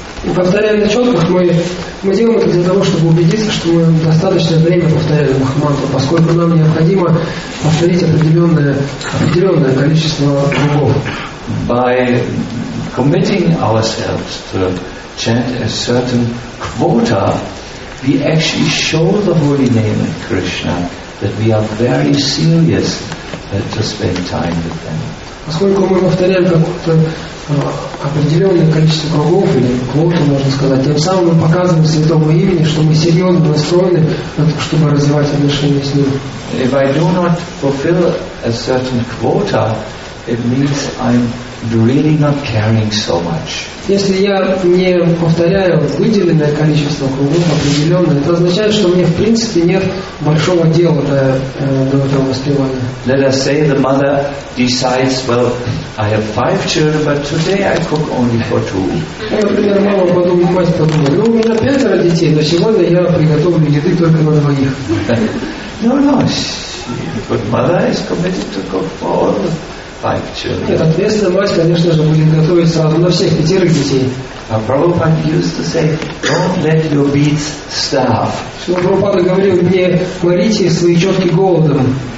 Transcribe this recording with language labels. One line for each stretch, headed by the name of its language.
Russian: И повторяем на чётках, мы делаем это для того, чтобы убедиться, что мы достаточное время повторяем Махамантру, поскольку нам необходимо повторить определенное количество кругов.
English: By committing ourselves to chant a certain quota, we actually show the holy name of Krishna that we are very serious to spend time with them.
Russian: Поскольку мы повторяем какое-то определенное количество кругов, или квоту, можно сказать, тем самым мы показываем святому имени, что мы серьезно настроены, чтобы развивать отношения с ним.
English: If I do not fulfill a certain quota, it means I'm really not caring so much.
Russian: Если я не повторяю выделенное количество кругов, определенное, это означает, что мне в принципе нет большого дела до этого воспевания.
English: Let us say the mother decides, well, I have 5 children, but today I cook only for 2.
Russian: Например, мама подумает, ну у меня 5 детей, но сегодня я приготовлю еды только на 2.
English: No, no. But mother is committed to cook for all.
Russian: Нет, ответственная мать, конечно же, будет готовить сразу на всех 5 детей.
English: А Прабхупада used to say, don't let your beads starve.
Russian: Что Прабхупада говорил, не морите свои четки голодом.